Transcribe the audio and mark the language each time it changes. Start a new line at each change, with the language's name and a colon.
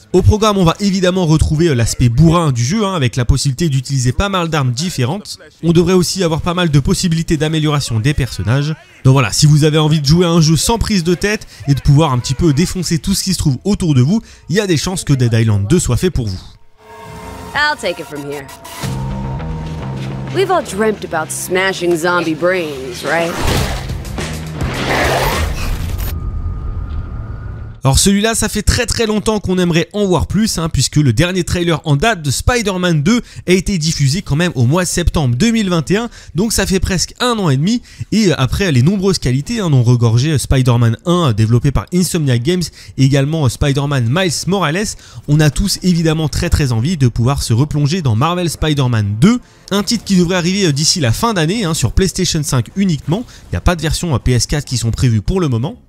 French: Au programme, on va évidemment retrouver l'aspect bourrin du jeu, avec la possibilité d'utiliser pas mal d'armes différentes. On devrait aussi avoir pas mal de possibilités d'amélioration des personnages. Donc voilà, si vous avez envie de jouer à un jeu sans prise de tête et de pouvoir un petit peu défoncer tout ce qui se trouve autour de vous, il y a des chances que Dead Island 2 soit fait pour vous.
English: I'll take it from here. We've all dreamt about smashing zombie brains, right?
French: Alors celui-là, ça fait très très longtemps qu'on aimerait en voir plus, puisque le dernier trailer en date de Spider-Man 2 a été diffusé quand même au mois de septembre 2021, donc ça fait presque un an et demi, et après les nombreuses qualités dont regorgeait Spider-Man 1 développé par Insomniac Games, et également Spider-Man Miles Morales, on a tous évidemment très très envie de pouvoir se replonger dans Marvel Spider-Man 2, un titre qui devrait arriver d'ici la fin d'année, sur PlayStation 5 uniquement, il n'y a pas de version PS4 qui sont prévues pour le moment.